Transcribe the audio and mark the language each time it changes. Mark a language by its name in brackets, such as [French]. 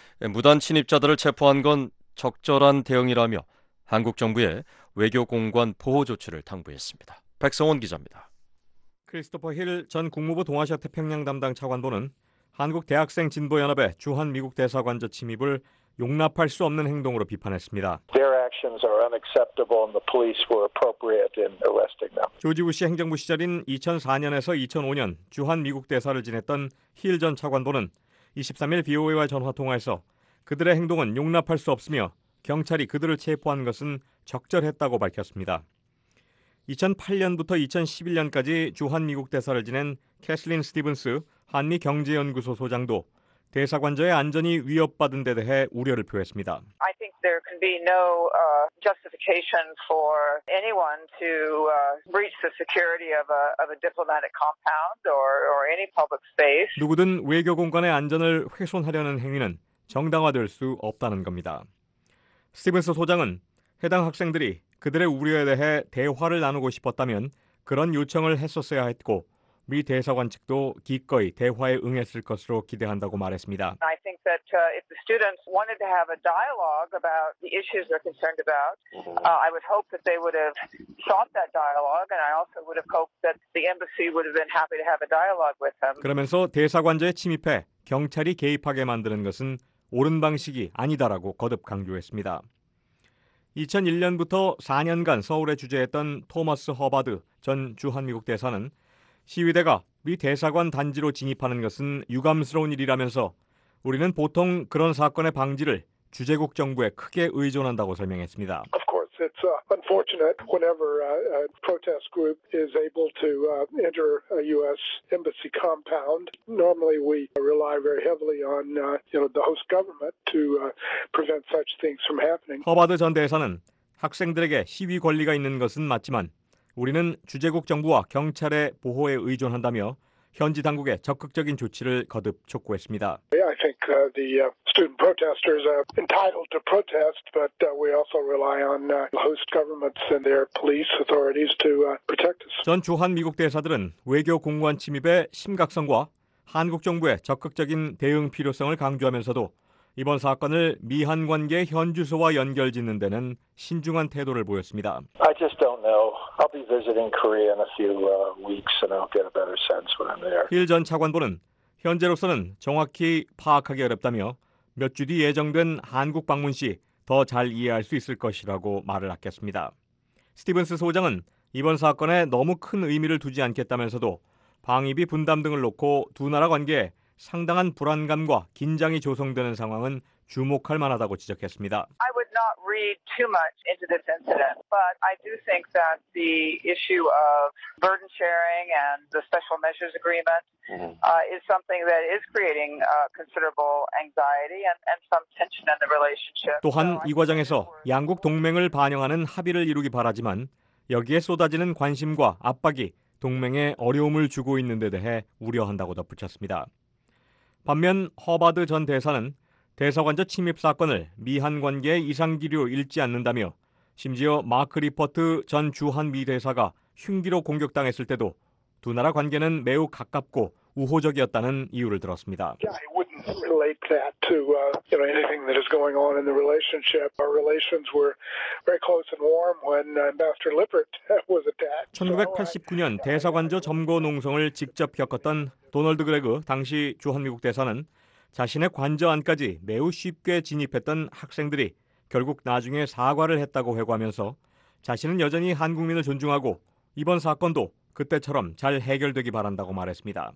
[Korean] 무단 침입자들을 체포한 건 적절한 대응이라며 한국 정부에 외교 공관 보호 조치를 당부했습니다. 백성원 기자입니다. 크리스토퍼 힐 전 국무부 동아시아 태평양 담당 차관보는 한국 대학생 진보 연합의 주한 미국 대사관저 침입을 용납할 수 없는 행동으로 비판했습니다. [English] Their actions are unacceptable and the police were appropriate in arresting them. [Korean] 조지 부시 행정부 시절인 2004년에서 2005년 주한 미국 대사를 지냈던 힐 전 차관보는 23일 VOA와 전화 통화에서 그들의 행동은 용납할 수 없으며 경찰이 그들을 체포한 것은 적절했다고 밝혔습니다. 2008년부터 2011년까지 주한 미국 대사를 지낸 캐슬린 스티븐스 한미경제연구소 소장도 대사관저의 안전이 위협받은 데 대해 우려를 표했습니다. [English] I think there can be no justification for anyone to breach the security of a diplomatic compound or any public space. [Korean] 누구든 외교 공간의 안전을 훼손하려는 행위는 정당화될 수 없다는 겁니다. 스티븐스 소장은 해당 학생들이 그들의 우려에 대해 대화를 나누고 싶었다면 그런 요청을 했었어야 했고 미 대사관 측도 기꺼이 대화에 응했을 것으로 기대한다고 말했습니다. [English] I think that if the students wanted to have a dialogue about the issues they're concerned about, I would hope that they would have sought that dialogue, and I also would have hoped that the embassy would have been happy to have a dialogue with them. [Korean] 그러면서 대사관저에 침입해 경찰이 개입하게 만드는 것은 옳은 방식이 아니다라고 거듭 강조했습니다. 2001년부터 4년간 서울에 주재했던 토머스 허바드 전 주한미국 대사는 시위대가 미 대사관 단지로 진입하는 것은 유감스러운 일이라면서 우리는 보통 그런 사건의 방지를 주재국 정부에 크게 의존한다고 설명했습니다. [English] Of course, it's unfortunate whenever a protest group is able to enter a U.S. embassy compound. Normally, we rely very heavily on the host government to prevent such things from happening. [Korean] 허바드 전 대사는 학생들에게 시위 권리가 있는 것은 맞지만 우리는 주재국 정부와 경찰의 보호에 의존한다며 현지 당국의 적극적인 조치를 거듭 촉구했습니다. [English] I think the student protesters are entitled to protest, but we also rely on host governments and their police authorities to protect us. [Korean] 전 주한 미국 대사들은 외교 공관 침입의 심각성과 한국 정부의 적극적인 대응 필요성을 강조하면서도 이번 사건을 미한 관계 현 주소와 연결 짓는 데는 신중한 태도를 보였습니다. [English] I just don't know. I'll be visiting Korea in a few weeks and I'll get a better sense when I'm there. [Korean] 힐 전 차관보는 현재로서는 정확히 파악하기 어렵다며 몇 주 뒤 예정된 한국 방문 시 더 잘 이해할 수 있을 것이라고 말을 아꼈습니다. 스티븐스 소장은 이번 사건에 너무 큰 의미를 두지 않겠다면서도 방위비 분담 등을 놓고 두 나라 관계에 상당한 불안감과 긴장이 조성되는 상황은 주목할 만하다고 지적했습니다. [English] I would not read too much into this incident, but I do think that the issue of burden sharing and the special measures agreement is something that is creating considerable anxiety and some tension in the relationship. [Korean] 또한 이 과정에서 양국 동맹을 반영하는 합의를 이루기 바라지만 여기에 쏟아지는 관심과 압박이 동맹에 어려움을 주고 있는 데 대해 우려한다고 덧붙였습니다. 반면 허바드 전 대사는 대사관저 침입 사건을 미한 관계의 이상기류 읽지 않는다며 심지어 마크 리퍼트 전 주한미 대사가 흉기로 공격당했을 때도 두 나라 관계는 매우 가깝고 우호적이었다는 이유를 들었습니다. [English] Anything that is going on in the relationship. Our relations were very close and warm when Ambassador Lippert was attacked. [Korean] 1989년 대사관저 점거 농성을 직접 겪었던 도널드 그레그 당시 주한미국 대사는 자신의 관저 안까지 매우 쉽게 진입했던 학생들이 결국 나중에 사과를 했다고 회고하면서 자신은 여전히 한국민을 존중하고 이번 사건도 그때처럼 잘 해결되기 바란다고 말했습니다.